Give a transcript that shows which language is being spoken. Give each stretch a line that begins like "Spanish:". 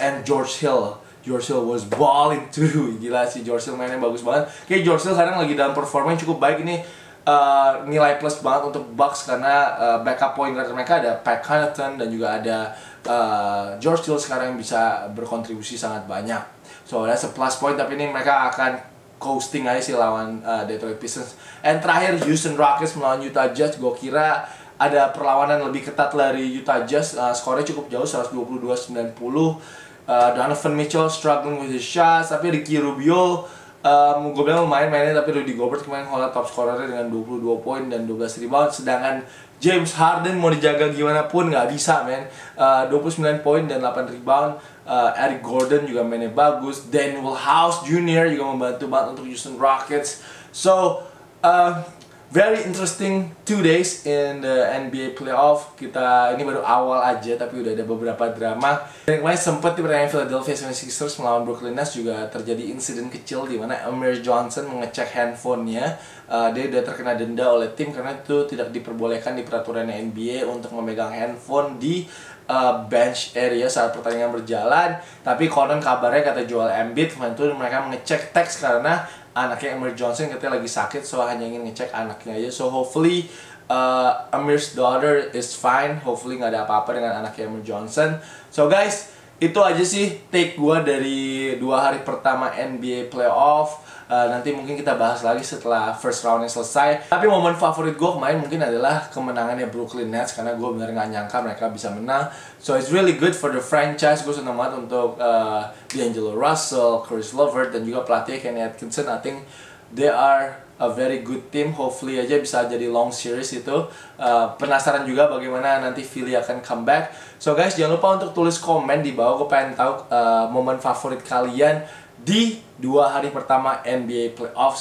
English: And George Hill, George Hill was balling too.
Indonesian: Gila sih, George Hill mainnya bagus banget. Kayak George Hill sekarang lagi dalam performa yang cukup baik. Ini nilai plus banget untuk Bucks karena backup point guard mereka ada Pat Connaughton dan juga ada George Hill sekarang yang bisa berkontribusi sangat banyak.
English: So that's a plus point,
Indonesian: tapi ini mereka akan coasting aja sih lawan Detroit Pistons. And terakhir, Houston Rockets melawan Utah Jazz. Gua kira ada perlawanan lebih ketat dari Utah Jazz. Skornya cukup jauh, 122-90. Donovan Mitchell
English: struggling with his shots,
Indonesian: tapi Ricky Rubio gue bilang main-mainnya, tapi Rudy Gobert kemarin hold top scorernya dengan 22 poin dan 12 rebound. Sedangkan James Harden mau dijaga gimana pun gak bisa, men. 29 poin dan 8 rebound. Eric Gordon juga mainnya bagus. Daniel House Jr. juga membantu banget untuk Houston Rockets.
English: So, very interesting 2 days in the NBA playoff.
Indonesian: Kita ini baru awal aja, tapi udah ada beberapa drama. Dan kemarin sempat di pertandingan Philadelphia 76ers melawan Brooklyn Nets juga terjadi insiden kecil di mana Amir Johnson mengecek handphonenya. Dia udah terkena denda oleh tim karena itu tidak diperbolehkan di peraturan NBA untuk memegang handphone di bench area saat pertandingan berjalan. Tapi konon kabarnya kata Joel Embiid, itu mereka mengecek teks karena anaknya Amir Johnson katanya lagi sakit, so hanya ingin ngecek anaknya aja.
English: So hopefully Amir's daughter is fine.
Indonesian: Hopefully gak ada apa-apa dengan anaknya Amir Johnson. So guys, itu aja sih take gue dari 2 hari pertama NBA playoff. Nanti mungkin kita bahas lagi setelah first roundnya selesai. Tapi momen favorit gue kemarin mungkin adalah kemenangannya Brooklyn Nets, karena gue bener gak nyangka mereka bisa menang.
English: So it's really good for the franchise.
Indonesian: Gue seneng banget untuk D'Angelo Russell, Chris Levert, dan juga pelatih Kenny Atkinson.
English: I think they are a very good team.
Indonesian: Hopefully aja bisa jadi long series itu. Penasaran juga bagaimana nanti Philly akan comeback. So guys, jangan lupa untuk tulis komen di bawah. Gue pengen tahu momen favorit kalian di 2 hari pertama NBA playoff.